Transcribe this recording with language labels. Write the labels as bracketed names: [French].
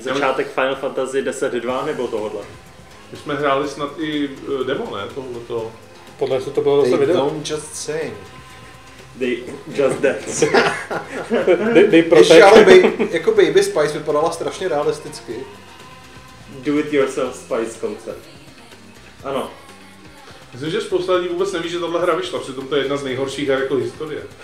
[Czech] Začátek Final Fantasy 10-2 nebo tohle? My jsme hráli snad i demo, ne? Tohleto. Podle mě to bylo zase video. [English] They don't just sing. They just dance. they protect. [Czech] Ještě ale jako Baby Spice vypadala strašně realisticky. [English] Do it yourself Spice concept. [Czech] Ano. Myslím, že spousta lidí vůbec neví, že tohle hra vyšla. Přitom to je jedna z nejhorších her jako historie.